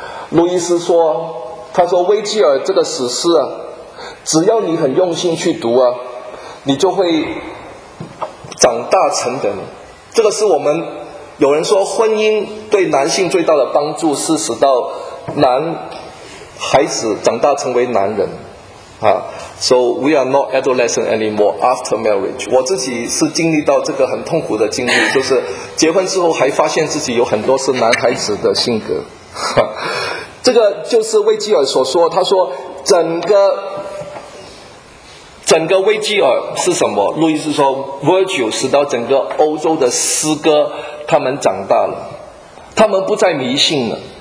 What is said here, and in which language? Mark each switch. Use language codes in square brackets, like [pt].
[zh] 路易斯说，他说威吉尔这个史诗啊，只要你很用心去读啊，你就会长大成人。这个是我们有人说婚姻对男性最大的帮助，是使到男孩子长大成为男人啊。 [en] So we are not adolescent anymore after marriage. [zh] 我自己是经历到这个很痛苦的经历，就是结婚之后还发现自己有很多是男孩子的性格。这个就是威吉尔所说，他说整个威吉尔是什么？路易斯说 Virgil 使到整个欧洲的诗歌他们长大了，他们不再迷信了。